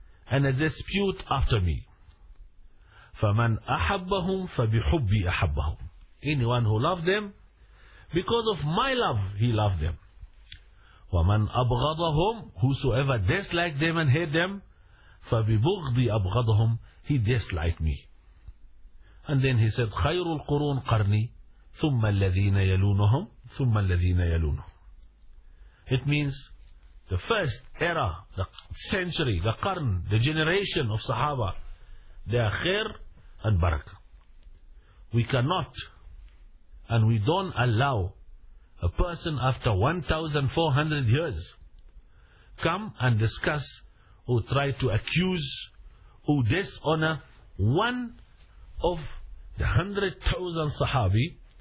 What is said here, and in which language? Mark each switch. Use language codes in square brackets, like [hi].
[en] and a dispute after me. [ar] فَمَنْ أَحَبَّهُمْ فَبِحُبِّي أَحَبَّهُمْ. [en] Anyone who loved them, because of my love, he loved them. [ar] وَمَنْ أَبْغَضَهُمْ, [en] whosoever disliked them and hate them, [ar] فَبِبُغْضِي أَبْغَضَهُمْ, [en] he disliked me. And then he said, [ar] خَيْرُ الْقُرُونَ قَرْنِي ثُمَّ الَّذِينَ يَلُونُهُمْ ثُمَّ الَّذِينَ يَلُونُهُمْ. [en] It means, the first era, the century, the qarn, the generation of Sahaba, they are khair and barakah. We cannot and we don't allow a person after 1,400 years come and discuss or try to accuse or dishonor one of the 100,000 Sahabi.